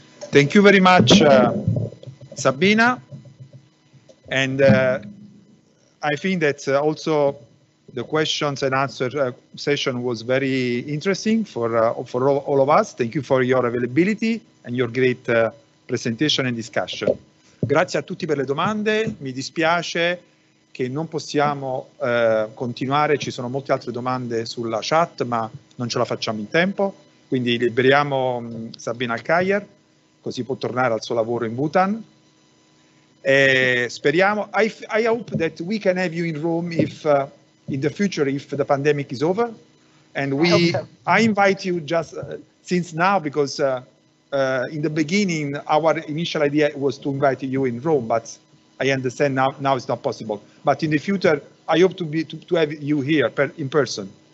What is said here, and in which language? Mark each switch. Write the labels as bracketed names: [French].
[English] Thank you very much, Sabina. And I think that also the questions and answer session was very interesting for all of us. Thank you for your availability and your great presentation and discussion. [Italian] Grazie a tutti per le domande. Mi dispiace che non possiamo continuare, ci sono molte altre domande sulla chat, ma non ce la facciamo in tempo, quindi liberiamo Sabina Alkire, così può tornare al suo lavoro in Bhutan. E speriamo, [English] I hope that we can have you in Rome if in the future, if the pandemic is over, and I invite you just since now, because in the beginning, our initial idea was to invite you in Rome, but I understand now it's not possible, but in the future, I hope to have you here in person.